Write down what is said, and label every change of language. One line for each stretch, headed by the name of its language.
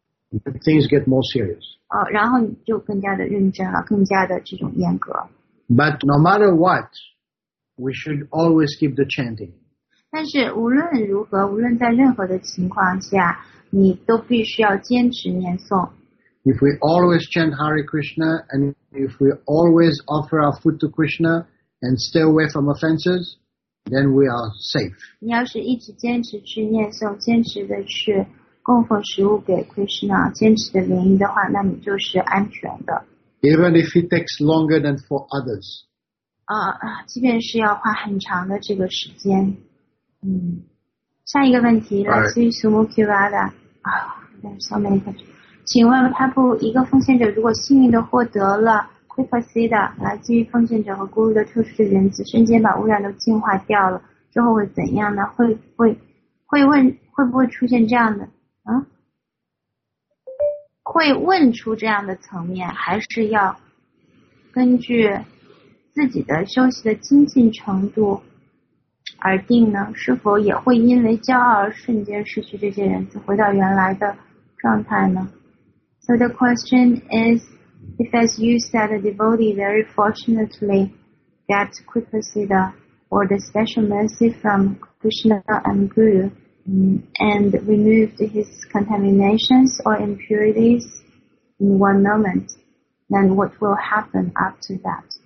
English: Things get more serious.
Chinese: 然后你就更加的认真了，更加的这种严格。
English: But no matter what, we should always keep the chanting.
Chinese: 但是无论如何，无论在任何的情况下，你都必须要坚持念诵。
English: If we always chant Hare Krishna, and if we always offer our food to Krishna, and stay away from offenses, then we are safe.
Chinese: 你要是一直坚持去念诵，坚持的去供奉食物给 Krishna 坚持的原因的话，那你就是安全的。
English: Even if it takes longer than for others.
Chinese: 啊啊，即便是要花很长的这个时间。嗯，下一个问题来自于 Sumukivada。啊 ，
English: there's so many questions。
Chinese: 请问帕布，一个奉献者如果幸运地获得了 Kripa Siddha 来自于奉献者和 Guru 的特殊的原子，瞬间把污染都净化掉了，之后会怎样呢？会不会出现这样的？会问出这样的层面，还是要根据自己的修习的精进程度而定呢？是否也会因为骄傲而瞬间失去这些原子，回到原来的状态呢？
English: So the question is, if as you said, a devotee very fortunately gets Kripa Siddha or the special mercy from Krishna and Guru, and removed his contaminations or impurities in one moment, then what will happen after that?